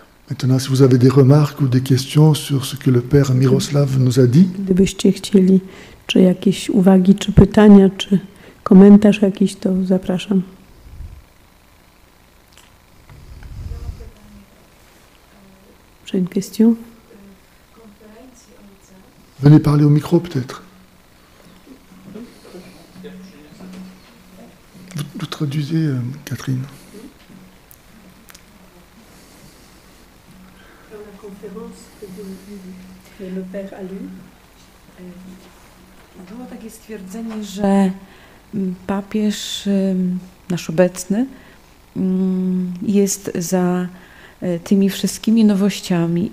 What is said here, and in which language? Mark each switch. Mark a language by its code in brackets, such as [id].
[fr] Maintenant, si vous avez des remarques ou des questions sur ce que le Père Miroslav nous a dit. [pl] Gdybyście chcieli, czy jakieś uwagi, czy pytania, czy komentarz jakiś, to zapraszam. [fr] J'ai une question. Venez parler au micro, peut-être. Vous traduisez, Catherine. Dans la conférence que le Père a lue, [pl] było takie stwierdzenie, że papież nasz obecny jest za tymi wszystkimi nowościami.